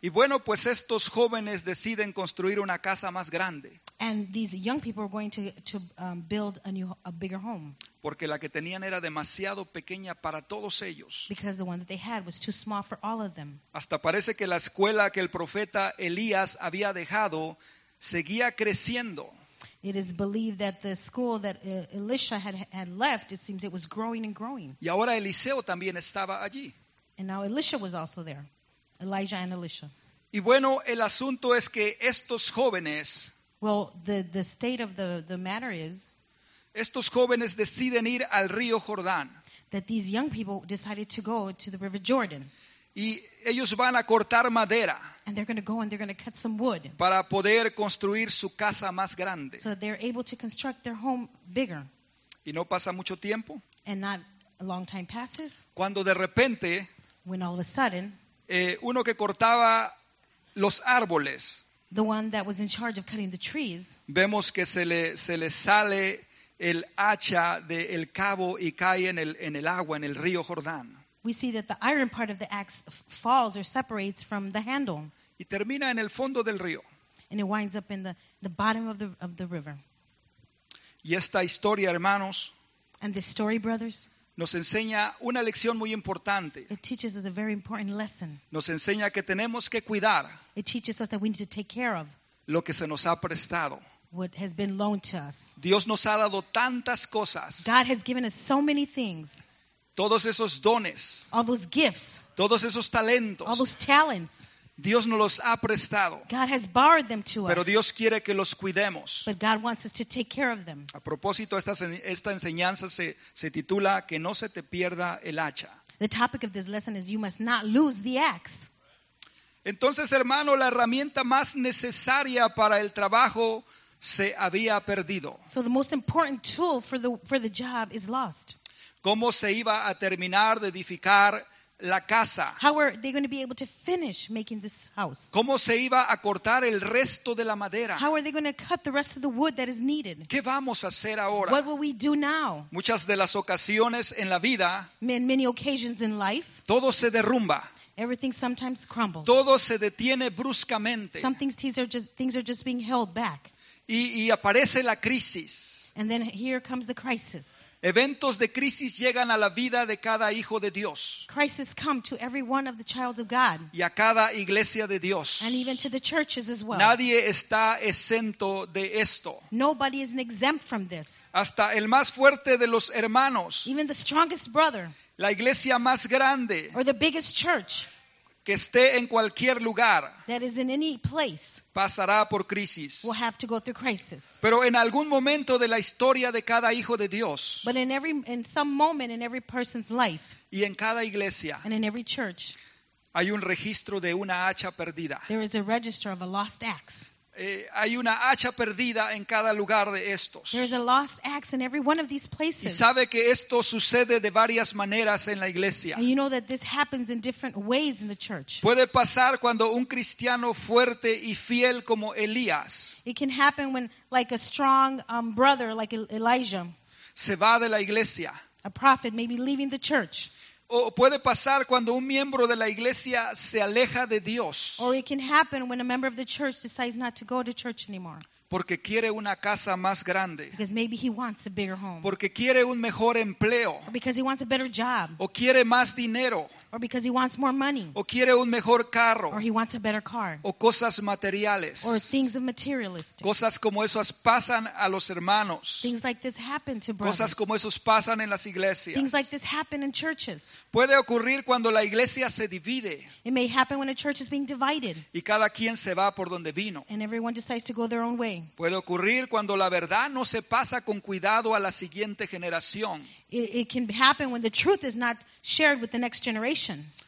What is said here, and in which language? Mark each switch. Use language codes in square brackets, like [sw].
[es] Y bueno, pues estos jóvenes deciden construir una casa más grande. [en] And these young people are going to build a bigger home. [es] Porque la que tenían era demasiado pequeña para todos ellos. [en] Because the one that they had was too small for all of them. [es] Hasta parece que la escuela que el profeta Elías había dejado seguía creciendo. [en] It is believed that the school that Elisha had left, it seems it was growing and growing. [es] Y ahora Eliseo también estaba allí. [en] And now Elisha was also there. Elijah and Elisha. [es] Y bueno, el asunto es que estos jóvenes, [en] well, the state of the matter is, [es] estos jóvenes deciden ir al río Jordán. [en] That these young people decided to go to the river Jordan. [es] Y ellos van a cortar madera. [en] And they're going to go and they're going to cut some wood. [es] Para poder construir su casa más grande. [en] So they're able to construct their home bigger. [es] Y no pasa mucho tiempo. [en] And not a long time passes. [es] Cuando de repente, [en] when all of a sudden, [es] uno que cortaba los árboles, [en] the one that was in charge of cutting the trees, [es] vemos que se le sale el hacha del cabo y cae en el agua, en el río Jordán. [en] We see that the iron part of the axe falls or separates from the handle. [es] Y termina en el fondo del río. [en] And it winds up in the bottom of the river. [es] Y esta historia, hermanos, [en] and this story, brothers, [es] nos enseña una lección muy importante. [en] It teaches us a very important lesson. [es] Nos enseña que tenemos que cuidar, [en] it teaches us that we need to take care of, [es] lo que se nos ha prestado. [en] What has been loaned to us. [es] Dios nos ha dado tantas cosas. [en] God has given us so many things. [es] Todos esos dones. [en] All those gifts. [es] Todos esos talentos. [en] All those talents. [es] Dios nos los ha prestado. [en] God has borrowed them to [es] pero [en] us. [es] Dios quiere que los cuidemos. [en] But God wants us to take care of them. [es] A propósito, esta enseñanza se titula que no se te pierda el hacha. [en] The topic of this lesson is you must not lose the axe. [es] Entonces, hermano, la herramienta más necesaria para el trabajo se había perdido. [en] So the most important tool for the job is lost. [es] ¿Cómo se iba a terminar de edificar la casa? [en] How are they going to be able to finish making this house? [es] ¿Cómo se iba a cortar el resto de la madera? [en] How are they going to cut the rest of the wood that is needed? [es] ¿Qué vamos a hacer ahora? [en] What will we do now? [es] Muchas de las ocasiones en la vida, [en] many occasions in life, [es] todo se derrumba. [en] Everything sometimes crumbles. [es] Todo se detiene bruscamente. [en] Some things are just being held back. [es] Y aparece la crisis. [en] And then here comes the crisis. [es] Eventos de crisis llegan a la vida de cada hijo de Dios. [en] Crisis come to every one of the child of God. [es] Y a cada iglesia de Dios. [en] And even to the churches as well. [es] Nadie está exento de esto. [en] Nobody is exempt from this. [es] Hasta el más fuerte de los hermanos. [en] Even the strongest brother. [es] La iglesia más grande. [en] Or the biggest church. [es] que esté en cualquier lugar [en] that is in any place [es] pasará por crisis. [en] Will have to go through crisis. [es] Pero en algún momento de la historia de cada hijo de Dios, [en] but in some moment in every person's life, [es] y en cada iglesia, [en] and in every church, [es] hay un registro de una hacha perdida. [en] There is a register of a lost axe. [es] Hay una hacha perdida en cada lugar de estos. [en] There's a lost axe in every one of these places. [es] Y sabe que esto sucede de varias maneras en la iglesia. [en] And you know that this happens in different ways in the church. [es] Puede pasar cuando un cristiano fuerte y fiel como Elías. [en] It can happen when, like a strong brother like Elijah. [es] Se va de la iglesia. [en] A prophet may be leaving the church. [es] O puede pasar cuando un miembro de la iglesia se aleja de Dios. [en] Or it can happen when a member of the church decides not to go to church anymore. [es] Porque quiere una casa más grande. [en] Because maybe he wants a bigger home. [es] Porque quiere un mejor empleo. [en] Or because he wants a better job. [es] O quiere más dinero. [en] Or because he wants more money. [es] O quiere un mejor carro. [en] Or he wants a better car. [es] O cosas materiales. [en] Or things of materialistic. [es] Cosas como esas pasan a los hermanos. [en] Things like this happen to brothers. [es] Cosas como esos pasan en las iglesias. [en] Things like this happen in churches. [es] Puede ocurrir cuando la iglesia se divide. [en] It may happen when a church is being divided. [es] Y cada quien se va por donde vino. [en] And everyone decides to go their own way. [es] Puede ocurrir cuando la verdad no se pasa con cuidado a la siguiente generación. [en] It can happen when the truth is not shared with the next generation.